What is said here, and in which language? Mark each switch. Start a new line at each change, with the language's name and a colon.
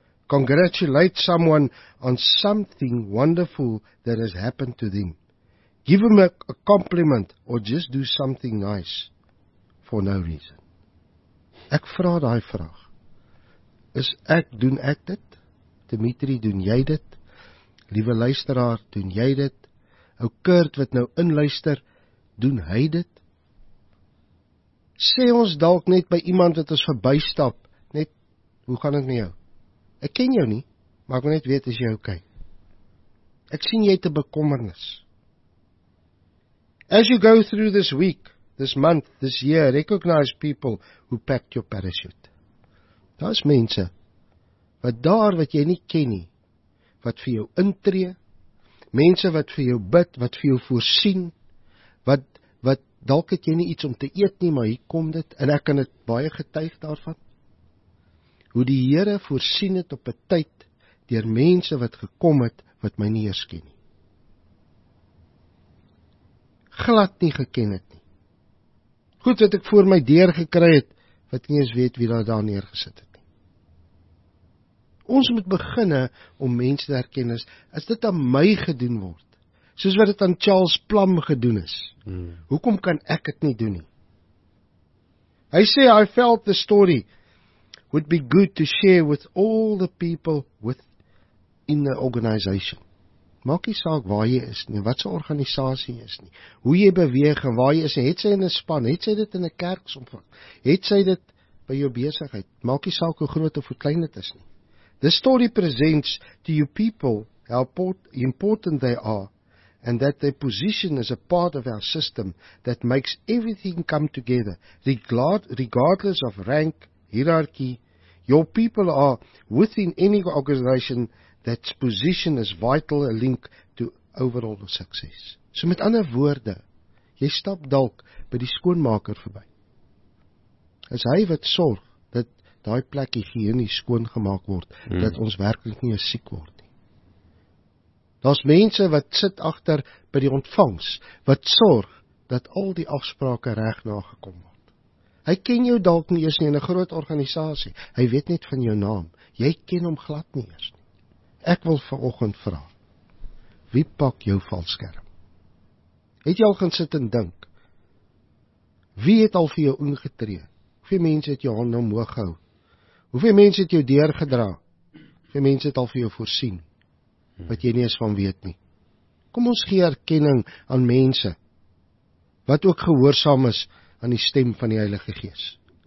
English: Congratulate someone on something wonderful that has happened to them. Give them a compliment, or just do something nice, for no reason.
Afrikaans: Ek vra daai vraag, doen ek dit? Dimitri, doen jy dit? Liewe luisteraar, doen jy dit? Ou Kurt, wat nou inluister, doen hy dit? Sê ons dalk net by iemand wat ons verbystap, net hoe gaan het met jou? Ek ken jou nie, maar ek wil net weet, is jy okay? Ek sien jy het 'n bekommernis.
English: As you go through this week, this month, this year, recognize people who packed your parachute.
Afrikaans: Daar is mense, wat daar wat jy nie ken nie, wat vir jou intree, mense wat vir jou bid, wat vir jou voorsien, wat dalk het jy nie iets om te eet nie, maar hier kom dit, en ek kan het baie getuig daarvan, hoe die Here voorsien het op 'n tyd, deur mense wat gekom het, wat my nie eers ken nie. Glad nie geken het nie. Goed, wat ek voor my deur gekry het, wat nie eens weet wie daar neergesit het. Ons moet beginne om mense te herken as dit aan my gedoen word, soos wat dit aan Charles Plum gedoen is. Hoekom kan ek het nie doen nie? Hy sê,
English: I felt the story would be good to share with all the people within the organization.
Afrikaans: Maak nie saak waar jy is nie, wat sy organisasie is nie, hoe jy beweeg en waar jy is nie, het sy in 'n span, het sy dit in 'n kerk omvang, het sy dit by jou besigheid, maak nie saak hoe groot of hoe klein dit is nie.
English: The story presents to you people how important they are and that their position is a part of our system that makes everything come together, regardless of rank, hierarchy. Your people are within any organization that's position is vital, a link to overall success.
Afrikaans: So met ander woorde, jy stap dalk by die skoonmaker verby. Is hy wat sorg dat daai plek higiënie skoon gemaak word, dat ons werklik nie siek word nie. Daar's mense wat sit agter by die ontvangs, wat sorg dat al die afsprake reg nagekom word. Hy ken jou dalk nie eers nie in 'n groot organisasie. Hy weet net van jou naam. Jy ken hom glad nie eers nie. Ek wil vanoggend vra, wie pak jou valskerm? Het jy al gaan sit en dink? Wie het al vir jou ingetree? Hoeveel mense het jou hand omhoog gehou? Hoeveel mense het jou deurgedra? Hoeveel mense het al vir jou voorsien, wat jy nie eens van weet nie? Kom ons gee erkenning aan mense, wat ook gehoorsaam is aan die stem van die Heilige Gees.